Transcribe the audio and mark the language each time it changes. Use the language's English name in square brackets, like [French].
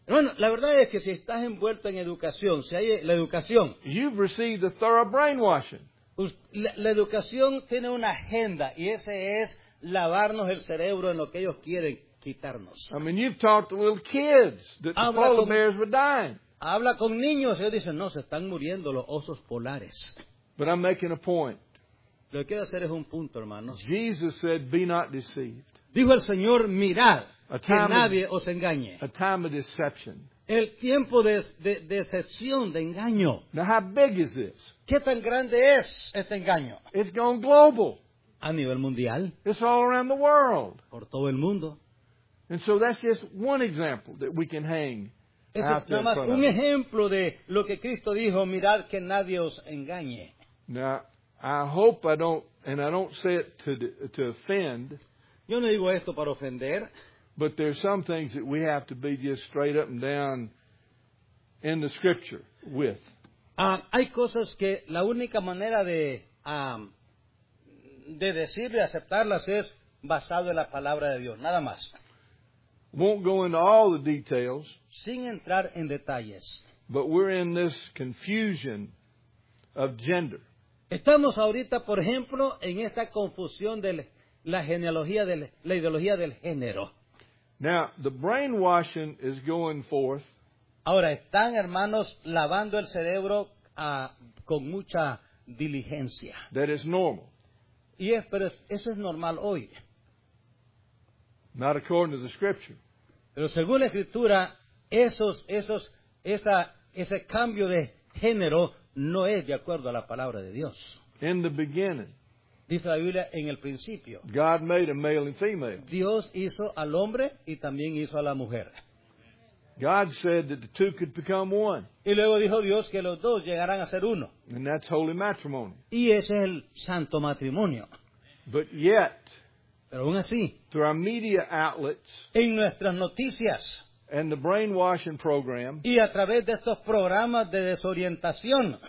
[Spanish] bueno, la verdad es que si estás envuelto en educación, si hay la educación, [English] you've received a thorough brainwashing. [Spanish] La educación tiene una agenda, y ese es lavarnos el cerebro en lo que ellos quieren quitarnos. [English] I mean, you've talked to little kids that the polar bears were dying. [Spanish] Habla con niños, ellos dicen, no, se están muriendo los osos polares. [English] But I'm making a point. [Spanish] Lo que quiero hacer es un punto, hermanos. [English] Jesus said, be not deceived. [Spanish] Dijo el Señor, mirad, que nadie os engañe. [English] A time of deception. [Spanish] El tiempo de decepción, de engaño. [English] Now, how big is this? [Spanish] ¿Qué tan grande es este engaño? [English] It's gone global. [Spanish] A nivel mundial. [English] It's all around the world. [Spanish] Por todo el mundo. [English] And so that's just one example that we can hang. [Spanish] Eso es nada más un ejemplo de lo que Cristo dijo, mirad que nadie os engañe. [English] Now, I hope I don't, and I don't say it to offend. [Spanish] Yo no digo esto para ofender. [English] But there's some things that we have to be just straight up and down in the Scripture with. [Spanish] Hay cosas que la única manera de decirle, aceptarlas es basado en la palabra de Dios, nada más. [English] Won't go into all the details. [Spanish] Sin entrar en detalles. [English] But we're in this confusion of gender. [Spanish] Estamos ahorita, por ejemplo, en esta confusión de la genealogía, de la ideología del género. [English] Now, the brainwashing is going forth. [Spanish] Ahora, están, hermanos, lavando el cerebro con mucha diligencia. [English] That is normal. [Spanish] Eso es normal hoy. [English] Not according to the Scripture. [Spanish] Pero según la Escritura, ese cambio de género no es de acuerdo a la palabra de Dios. [English] In the beginning, [Spanish] dice la Biblia, en el principio, [English] God made a male and female. [Spanish] Dios hizo al hombre y también hizo a la mujer. [English] God said that the two could become one. [Spanish] Y luego dijo Dios que los dos llegarán a ser uno. [English] And that's holy matrimony. [Spanish] Y ese es el santo matrimonio. [English] But yet, [Spanish] pero aún así, [English] through our media outlets, [Spanish] en nuestras noticias, [English] and the brainwashing program, [Spanish] y a través de estos programas de desorientación,